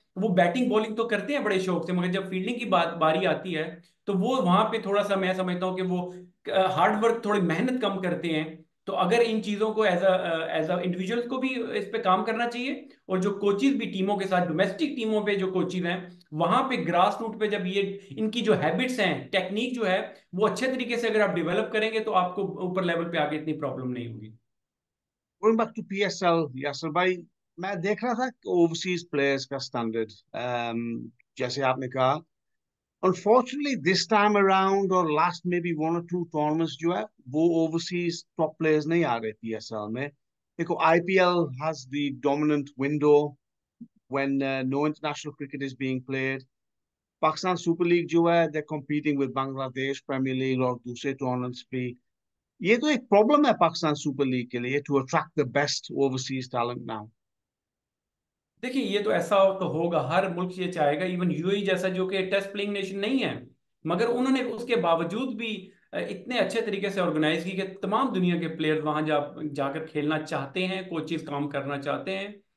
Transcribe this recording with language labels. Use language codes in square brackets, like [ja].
[hi] वो batting bowling तो करते हैं बड़े शौक से मगर जब फील्डिंग की बारी आती है तो वो वहां पे थोड़ा सा मैं समझता हूँ कि वो हार्डवर्क थोड़ी मेहनत कम करते हैं तो अगर इन चीजों को एज अ इंडिविजुअल को भी इस पे काम करना चाहिए और जो कोचिज भी टीमों के साथ डोमेस्टिक टीमों पे जो कोचिज हैं वहां पे ग्रास रूट पे जब ये इनकी जो हैबिट्स हैं टेक्निक जो है वो अच्छे तरीके से अगर आप डेवलप करेंगे तो आपको ऊपर लेवल पे आके इतनी प्रॉब्लम नहीं होगी गोइंग बैक टू PSL यासर भाई मैं देख रहा था ओवरसीज प्लेयर्स का स्टैंडर्ड जैसे आपने कहा [en] Unfortunately, this time around or last maybe one or two tournaments [hi] जो है वो [en] overseas top players [hi] नहीं आ रहे [en] PSL में. देखो IPL has the dominant window when no international cricket is being played. [hi] Pakistan super league जो है [en] they're competing with [hi] Bangladesh Premier League और दूसरे टूर्नामेंट्स भी. ये तो एक प्रॉब्लम है पाकिस्तान सुपर लीग के लिए [en] To attract the best overseas talent now. [hi] देखिए ये तो ऐसा तो होगा, हर मुल्क ये चाहेगा, इवन यूएई जैसा जो कि टेस्ट प्लेइंग नेशन नहीं है, मगर उन्होंने उसके बावजूद भी इतने अच्छे तरीके से ऑर्गेनाइज की कि तमाम दुनिया के प्लेयर्स वहां जाकर खेलना चाहते हैं, कोचिज काम करना चाहते हैं।